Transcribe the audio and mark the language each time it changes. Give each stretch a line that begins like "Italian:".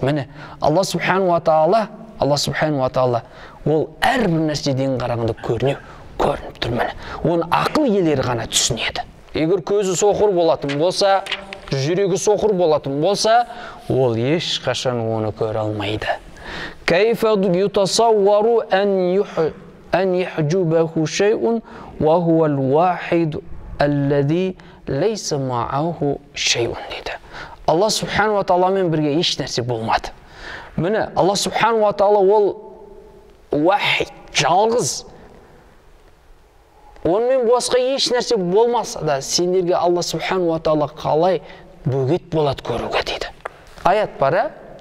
Kazakh: Міне Алла субханала тағала, Алла субханала тағала ол әрбір нәрседен қарағанда көрінеу, көрініп тұр. Міне оны ақыл иелері ғана түсінеді. Егер көзі соқыр болатын болса, жүрегі соқыр болатын болса, ол ешқашан оны көре алмайды.
Arabic: كيف يتصور أن يحجبه شيء وهو الواحد الذي ليس معه شيء
Kazakh: دейді. Алла субхана ва тағаламен бірге еш нәрсе болмады. Міне Алла субхана ва тағала ол уахид, жалғыз. Онымен басқа еш нәрсе болмаса да сендерге Алла субхана ва тағала қалай бөгет болады көруге дейді. Аят бар, а?